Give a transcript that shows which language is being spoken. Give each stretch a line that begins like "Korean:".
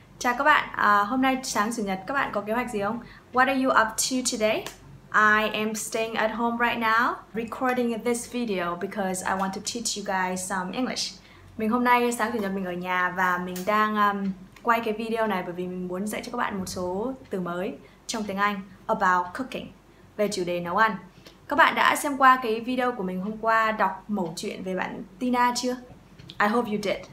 Vietnamese: Chào các bạn, hôm nay sáng chủ nhật các bạn có kế hoạch gì không?
English: What are you up to today? I am staying at home right now, recording this video because I want to teach you guys some English.
Vietnamese: Mình hôm nay sáng chủ nhật mình ở nhà và mình đang quay cái video này bởi vì mình muốn dạy cho các bạn một số từ mới trong tiếng Anh
English: about cooking,
Vietnamese: về chủ đề nấu ăn. Các bạn đã xem qua cái video của mình hôm qua đọc mẩu chuyện về bạn Tina chưa?
English: I hope you did.